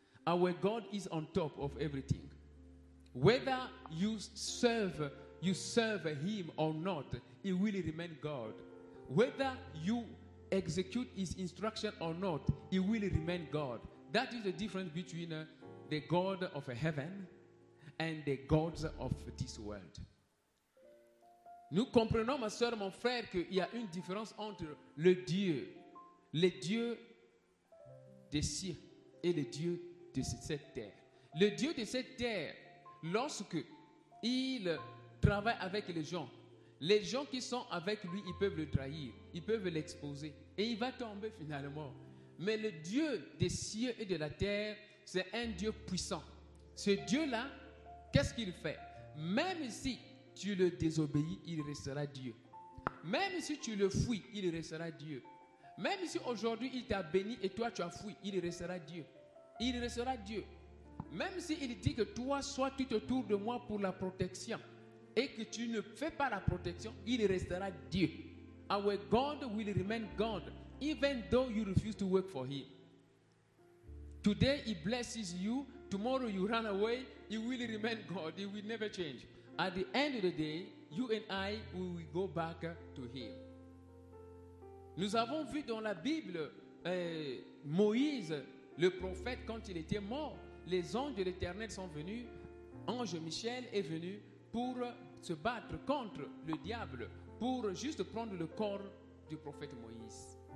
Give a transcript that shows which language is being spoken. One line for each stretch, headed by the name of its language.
English: Our God is on top of everything. Whether you serve him or not, he will remain God. Whether you execute his instruction or not, he will remain God. That is the difference between the God of heaven and the gods of this world.
French: Nous comprenons, ma soeur, mon frère, qu'il y a une différence entre le Dieu des cieux et le Dieu de cette terre. Le Dieu de cette terre, lorsque il travaille avec les gens qui sont avec lui, ils peuvent le trahir, ils peuvent l'exposer et il va tomber finalement. Mais le Dieu des cieux et de la terre, c'est un Dieu puissant. Ce Dieu-là, qu'est-ce qu'il fait? Même si tu le désobéis, il restera Dieu. Même si tu le fuis, il restera Dieu. Même si aujourd'hui il t'a béni et toi tu as fui, il restera Dieu. Il restera Dieu. Même si il dit que toi, soit tu te tournes de moi pour la protection et que tu ne fais pas la protection, il restera Dieu.
English: Our God will remain God, even though you refuse to work for him. Today he blesses you, tomorrow you run away, he will remain God, he will never change. At the end of the day, you and I, we will go back to him.
French: Nous avons vu dans la Bible, Moïse, le prophète, quand il était mort, les anges de l'Éternel sont venus, ange Michel est venu pour se battre contre le diable, pour juste prendre le corps du prophète Moïse.